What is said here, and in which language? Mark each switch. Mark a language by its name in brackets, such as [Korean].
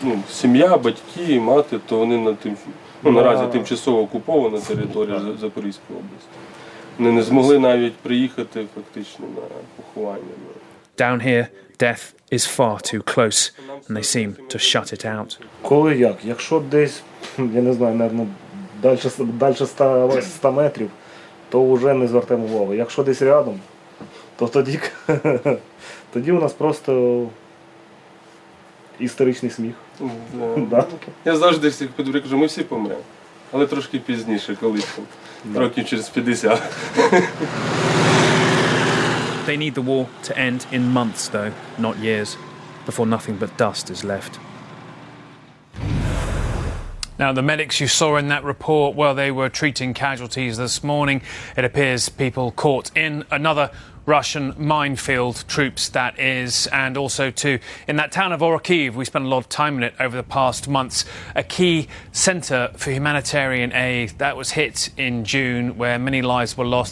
[Ukrainian] Сім'я, батьки, мати, то вони наразі тимчасово окуповані території Запорізької області. Вони не змогли навіть приїхати фактично на поховання. [English] Down here, death is far too close, and they seem to shut it out. [Ukrainian] Коли як? Якщо десь, я не знаю, мабуть, далі 100 метрів, то вже не звертаємо увагу. Якщо десь рядом, то тоді у нас просто історичний сміх. Я завжди всіх подивлюся, кажу, ми всі помремо. Але трошки пізніше, коли років через 50. [English] They need the war to end in months, though, not years, before nothing but dust is left. Now, the medics you saw in that report, well, they were treating casualties this morning. It appears people caught in another Russian minefield, troops that is, and also too in that town of Orhiv, we spent a lot of time in it over the past months, a key centre for humanitarian aid that was hit in June, where many lives were lost.